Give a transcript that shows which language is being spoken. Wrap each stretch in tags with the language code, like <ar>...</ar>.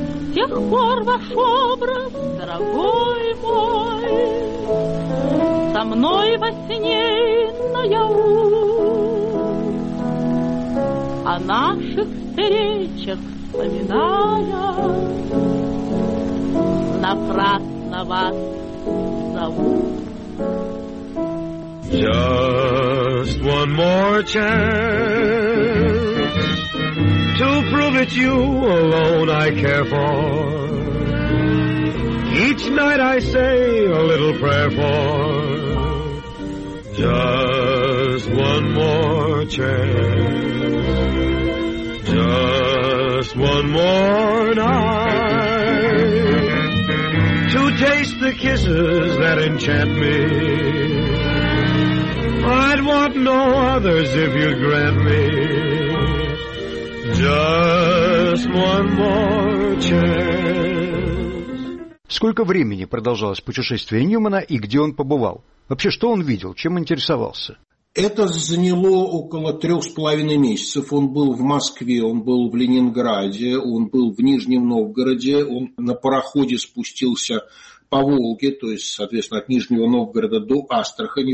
<ru>С тех пор ваш образ, дорогой мой, со мной во сне наяву. О наших встречах вспоминая, напрасно вас зову.</ru> <en>Just one more chance to prove it you alone I care for. Each night I say a little prayer for. Just one more chance. Just one more night to taste the kisses that enchant me. I'd want no others if you'd grant me just one more chance.</en> <ru>Сколько времени продолжалось путешествие Ньюмана и где он побывал? Вообще, что он видел, чем интересовался? Это заняло около 3,5 месяцев. Он был в Москве, он был в Ленинграде, он был в Нижнем Новгороде, он на пароходе спустился по Волге, то есть, соответственно, от Нижнего Новгорода до Астрахани.</ru>